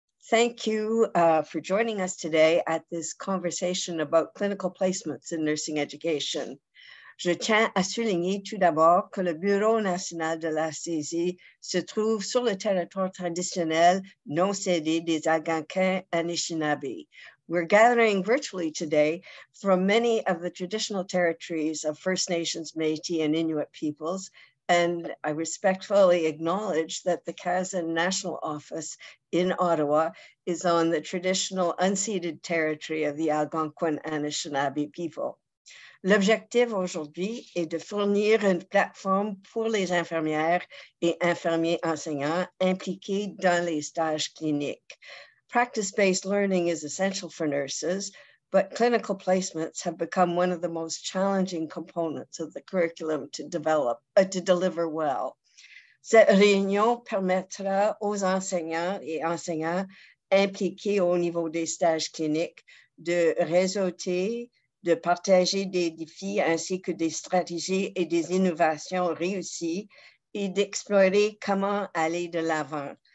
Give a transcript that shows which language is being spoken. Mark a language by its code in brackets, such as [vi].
[en] Thank you for joining us today at this conversation about clinical placements in nursing education. [fr] Je tiens à souligner tout d'abord que le Bureau national de la CZ se trouve sur le territoire traditionnel non cédé des Algonquins Anishinaabe. [en] We're gathering virtually today from many of the traditional territories of First Nations, Métis, and Inuit peoples, and I respectfully acknowledge that the Kazan National Office in Ottawa is on the traditional unceded territory of the Algonquin Anishinaabe people. [fr] L'objectif aujourd'hui est de fournir une plateforme pour les infirmières et infirmiers enseignants impliqués dans les stages cliniques. [en] Practice-based learning is essential for nurses, but clinical placements have become one of the most challenging components of the curriculum to deliver well. [fr] Cette réunion permettra aux enseignants et enseignants impliqués au niveau des stages cliniques de réseauter, de partager des défis ainsi que des stratégies et des innovations réussies et d'explorer comment aller de l'avant.